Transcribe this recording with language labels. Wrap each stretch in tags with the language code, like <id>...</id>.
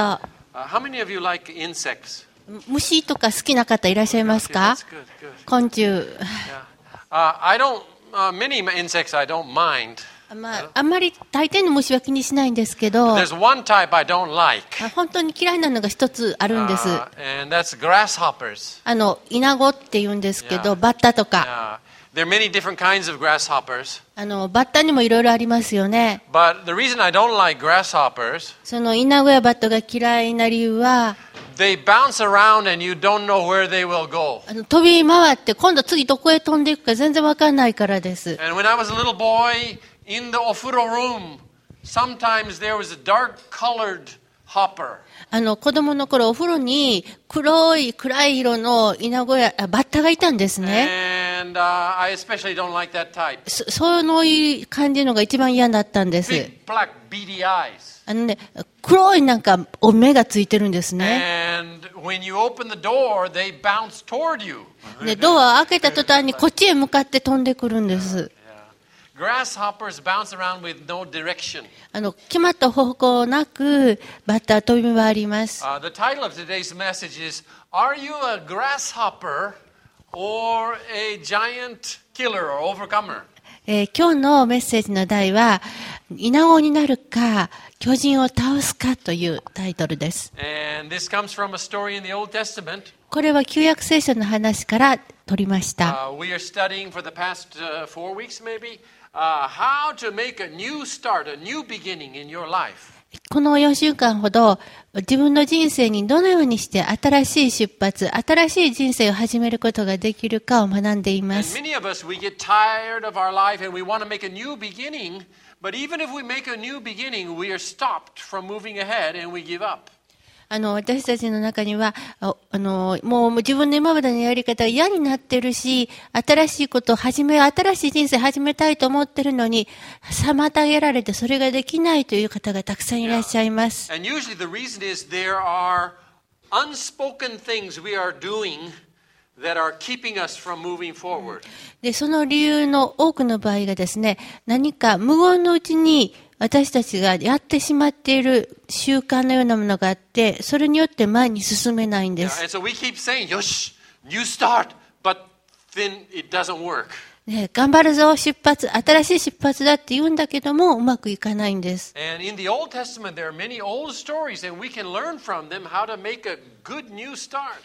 <en>How many of you like insects?</en> <ja>虫とか好きな方いらっしゃいますか？</ja> <en>Good, good.</en> <ja>昆虫。</ja> <en>I don't, many insects I don't mind.</en> <ja>あんまり大抵の虫は気にしないんですけど。</ja> <en>There's one type I don't like.</en> <ja>本当に嫌いなのが一つあるんです。</ja> <en>And that's grasshoppers.</en> <ja>あのイナゴって言うんですけど、バッタとか。</ja> <en>There are many different kinds of grasshoppers.</en> <ja>あのバッタにもいろいろありますよね。</ja> <en>But the reason I don't like grasshoppers,</en> <ja>そのイナゴやバッタが嫌いな理由は、</ja> <en>they bounce around and you don't know where they will go.</en> <ja>あの飛び回って今度次どこへ飛んでいくか全然わかんないからです。</ja> <en>And when I was a little boy in the ofuro room, sometimes there was a dark colored hopper.</en> <ja>あの子供の頃お風呂に黒い暗い色のイナゴやバッタがいたんですね。</ja> <en>And, I especially don't like that type.</en> <ja>その感じのが一番嫌だったんです。</ja> <en>Big, black, beady eyes.</en> <ja>あのね、黒いなんかお目がついてるんですね。</ja> <en>And when you open the door, they bounce toward you.</en> <ja>ね、ドア開けた途端にこっちへ向かって飛んでくるんです。</ja> <en>Grasshoppers bounce around with no direction.</en> <ja>あの決まった方向なくバッタ飛び回ります。</ja> <en>The title of today's message is "Are you a grasshopper or a giant killer or overcomer?"</en> <ja>今日のメッセージの題はイナゴになるか巨人を倒すかというタイトルです。</ja> <en>And this comes from a story in the Old Testament.</en> <ja>これは旧約聖書の話から取りました。</ja> <en>We are studying for the past four weeks, maybe. How to make a new start, a new beginning in your life.</en> <ja>この4週間ほど自分の人生にどのようにして新しい出発、新しい人生を始めることができるかを学んでいます。</ja> <en>And many of us, we get tired of our life and we want to make a new beginning, but even if we make a new beginning, we are stopped from moving ahead and we give up.</en> <ja>あの私たちの中には、あのもう自分の今までのやり方が嫌になってるし、新しいことを始め、新しい人生を始めたいと思ってるのに妨げられてそれができないという方がたくさんいらっしゃいます。</ja> <en>And usually the reason is there are unspoken things we are doing. That are keeping us from moving forward.</en> <ja>で、その理由の多くの場合がですね、何か無言のうちに私たちがやってしまっている習慣のようなものがあって、それによって前に進めないんです。</ja> <en>Yeah, and so we keep saying,</en> <ja>よし、</ja> <en>new start, but then it doesn't work.</en> <ja>ね、頑張るぞ、出発、新しい出発だって言うんだけども、うまくいかないんです。</ja> <en>And in the Old Testament, there are many old stories, and we can learn from them how to make a good new start.</en>